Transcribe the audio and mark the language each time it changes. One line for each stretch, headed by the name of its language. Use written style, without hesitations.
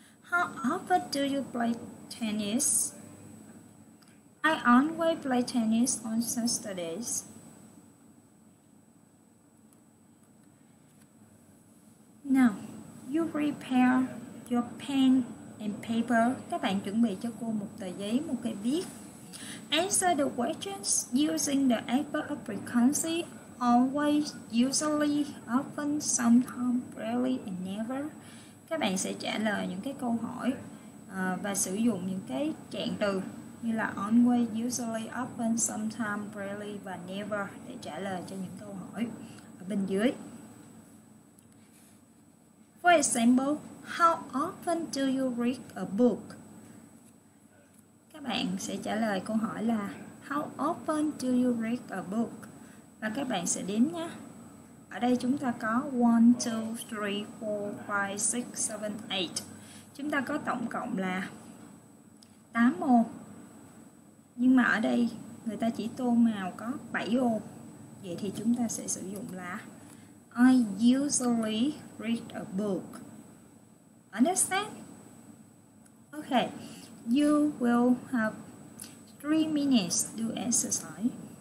English: How often do you play tennis? I always play tennis on Saturdays. Now, you prepare your pen and paper.
Vietnamese: Các bạn chuẩn bị cho cô một tờ giấy, một cây viết.
English: Answer the questions using the adverb of frequency. Always, usually, often, sometimes, rarely, and never.
Vietnamese: Các bạn sẽ trả lời những cái câu hỏi và sử dụng những cái trạng từ như là
English: always, usually, often, sometimes, rarely,
Vietnamese: và
English: never
Vietnamese: để trả lời cho những câu hỏi ở bên dưới.
English: For example, how often do you read a book?
Vietnamese: Các bạn sẽ trả lời câu hỏi là
English: how often do you read a book?
Vietnamese: Và các bạn sẽ đếm nhé. Ở đây chúng ta có 1, 2, 3, 4, 5, 6, 7, 8. Chúng ta có tổng cộng là 8 ô. Nhưng mà ở đây người ta chỉ tô màu có 7 ô. Vậy thì chúng ta sẽ sử dụng là
English: I usually read a book. Understand? Okay, you will have 3 minutes to do exercise.